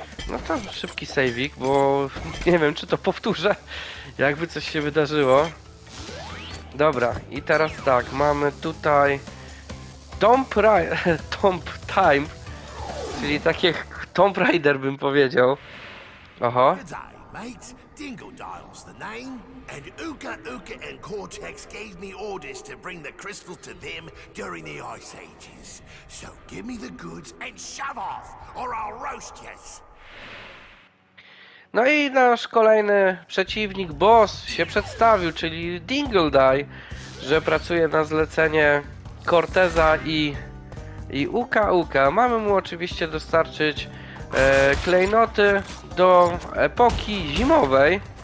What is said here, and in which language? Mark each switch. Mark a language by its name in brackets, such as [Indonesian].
[Polish] No to szybki sejwik, bo nie wiem, czy to powtórzę, jakby coś się wydarzyło. Dobra, i teraz tak, mamy tutaj Tomb Time, czyli takie Tomb Raider bym powiedział. Aha. [English] G'day, mate. Dingledile's the name. And Uka Uka and Cortex gave me orders to bring the crystal to them during the Ice Ages. So give me the goods and shove off, or I'll roast yes. [Polish] No i nasz kolejny przeciwnik, boss, się przedstawił, czyli Dingledy, że pracuje na zlecenie Corteza i Uka Uka. Mamy mu oczywiście dostarczyć klejnoty do epoki zimowej.